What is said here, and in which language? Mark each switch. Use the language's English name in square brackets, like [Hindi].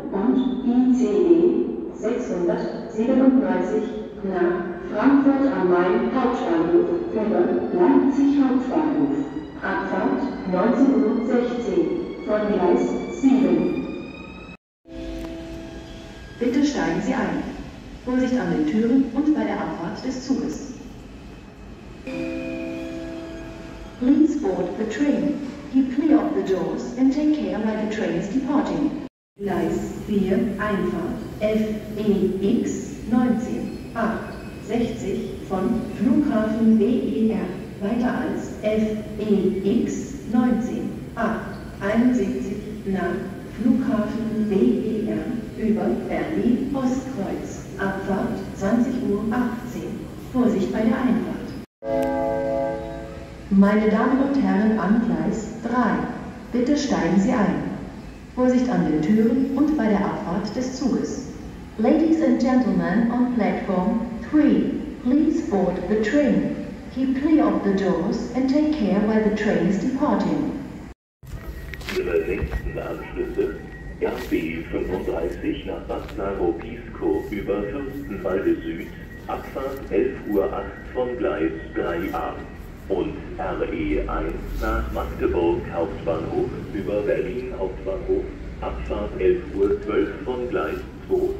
[German] Und ICE 637 nach Frankfurt am Main Hauptbahnhof über Leipzig Hauptbahnhof. Abfahrt 19:16 von Gleis 7. Bitte steigen Sie ein. Vorsicht an den Türen und bei der Abfahrt des Zuges. [English] Please board the train. Keep clear of the doors and take care while the train is departing. [German] Gleis 4, Einfahrt FEX 19A60 von Flughafen BER weiter als FEX 19A71 nach Flughafen BER über Berlin-Ostkreuz. Abfahrt 20:18. Vorsicht bei der Einfahrt. Meine Damen und Herren am Gleis 3, bitte steigen Sie ein. Vorsicht an den Türen und bei der Abfahrt des Zuges. [English] Ladies and gentlemen on platform 3, please board the train. Keep clear of the doors and take care while the train is departing. [German] Ihre nächsten Anschlüsse. RB35 nach Bad Narokisko über Fürstenwalde Süd. Abfahrt 11:08 von Gleis 3A. Und RE1 nach Magdeburg Hauptbahnhof über Berlin Hauptbahnhof, Abfahrt 11:12 von Gleis 2.